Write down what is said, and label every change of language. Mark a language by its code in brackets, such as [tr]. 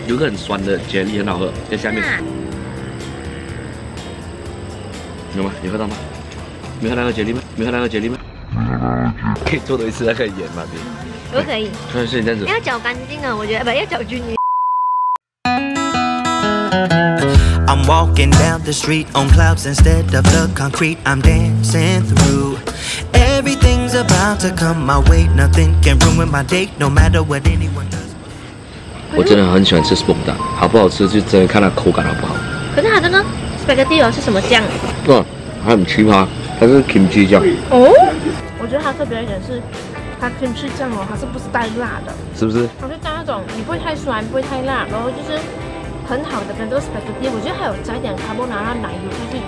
[zh] 有个很酸的 jelly 很好喝，在下面。有吗？有喝到吗？没喝到那个 jelly 吗？没喝到那个 jelly 吗？可以做多一次那个盐吗？可以。可以。是你这样子。要搅干净啊，我觉得，不要搅均匀。 [en] I'm walking down the street on clouds instead of the concrete. I'm dancing through. Everything's about to come my way. Nothing can ruin my day. No matter what anyone does. [zh] 我真的很喜欢吃 [en] smoke duck， [zh] 好不好吃就真的看它口感好不好。可是它的呢 spaghetti 是什么酱？嗯，它很奇葩，它是 kimchi 酱。哦，我觉得它特别一点是，它 kimchi 酱哦，它是不是带辣的？是不是？它是加那种，你不会太酸，不会太辣，然后就是。很好的跟这个 spaghetti， 我觉得还有加一点卡布拿拉奶油下去，